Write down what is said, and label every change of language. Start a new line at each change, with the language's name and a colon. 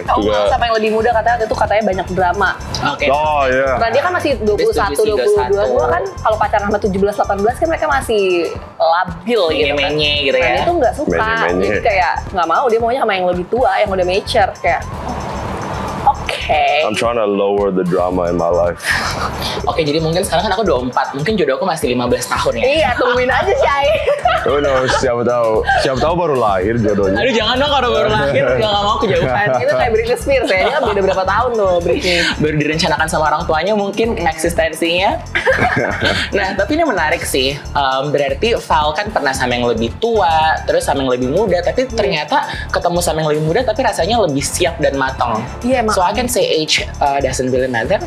Indonesian: Kamu juga sama yang lebih muda katanya itu katanya banyak drama. Oke. Okay. Oh iya. Yeah. Nah, dia kan masih 21-22. Gua kan kalau pacaran sama 17-18 kan mereka masih labil gitu kan. Menye-menye gitu ya. Nah, dia tuh enggak suka. Menye-menye. Jadi kayak enggak mau, dia maunya sama yang lebih tua, yang udah mature kayak. Okay.
English: I'm trying to lower the drama in my life.
Indonesian: Okay, jadi mungkin sekarang kan aku 24, mungkin jodohku masih 15 tahun ya. Iya, tungguin aja, Shay.
English: Who knows,
Indonesian: siapa tahu baru lahir jodohnya. Aduh, jangan dong kalau baru lahir, enggak mau kejauhan. Itu kayak Britney Spears ya, dia beda berapa tahun tuh Britney. Baru direncanakan sama orang tuanya mungkin eksistensinya. Nah, tapi ini menarik sih. Berarti Val kan pernah sama yang lebih tua, terus sama yang lebih muda, tapi ternyata ketemu sama yang lebih muda tapi rasanya lebih siap dan matang. Iya, yeah,
English: so I can say age doesn't really matter.